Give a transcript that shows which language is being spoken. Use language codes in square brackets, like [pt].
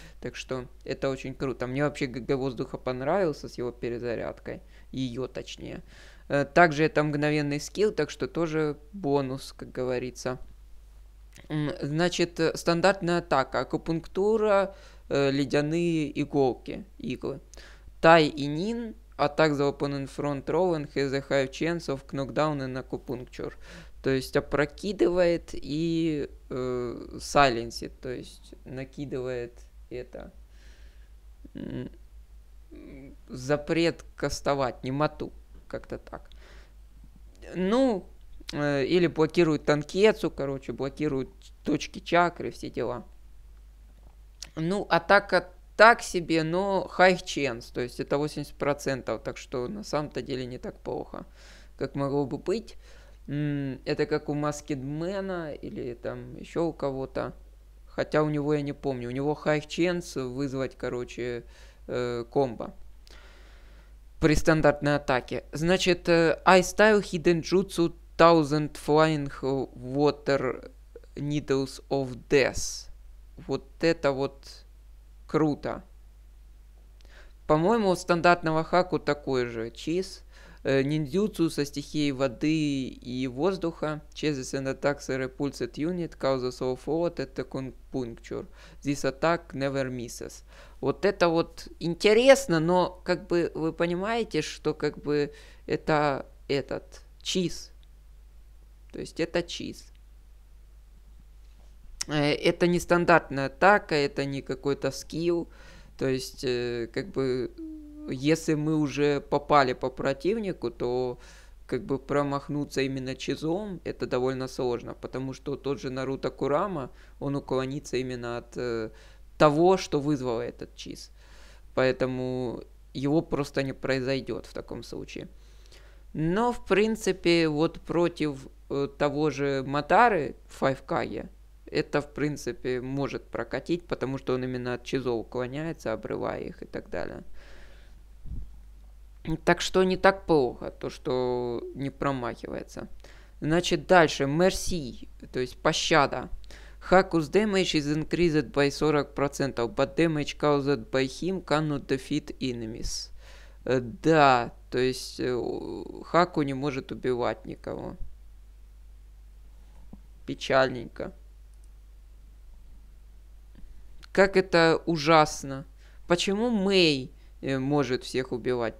[ru] Так что это очень круто. Мне вообще ГГ воздуха понравился с его перезарядкой, ее точнее. Также это мгновенный скилл, так что тоже бонус, как говорится. Значит, стандартная атака, акупунктура, ледяные иголки, иглы. [en] Тай и Нин, attack the opponent front row and has a high chance of knockdown and acupuncture. [ru] То есть опрокидывает и сайленсит, то есть накидывает это запрет кастовать, немоту, как-то так. Ну... Или блокируют танкетсу, короче, блокируют точки чакры, все дела. Ну, атака так себе, но [en] high chance, [ru] то есть это 80%, так что на самом-то деле не так плохо, как могло бы быть. Это как у Masked Man'а или там еще у кого-то, хотя у него я не помню. У него [en] high chance [ru] вызвать, короче, комбо. При стандартной атаке. [en] Значит, I-Style Hidden Jutsu 1000 Flying Water Needles of Death. [ru] Вот это вот круто. По-моему, у стандартного хаку такой же. Чиз. Ниндзюцу со стихией воды и воздуха. [en] Chases and attacks a repulsed unit. Causes all fall at the conpuncture. This attack never misses. [ru] Вот это вот интересно, но как бы вы понимаете, что как бы это этот чиз. То есть это чиз. Это не стандартная атака, это не какой-то скилл. То есть, как бы, если мы уже попали по противнику, то, как бы, промахнуться именно чизом, это довольно сложно. Потому что тот же Наруто Курама, он уклонится именно от того, что вызвало этот чиз. Поэтому его просто не произойдет в таком случае. Но, в принципе, вот против того же Матары Файвкаге, это, в принципе, может прокатить, потому что он именно от чизов уклоняется, обрывая их и так далее. Так что не так плохо, то, что не промахивается. Значит, дальше. Мерси, то есть пощада. [en] Хакус damage is increased by 40%, but damage caused by him cannot defeat enemies. [ru] Да, то есть Хаку не может убивать никого. Печальненько. Как это ужасно. Почему Мэй может всех убивать?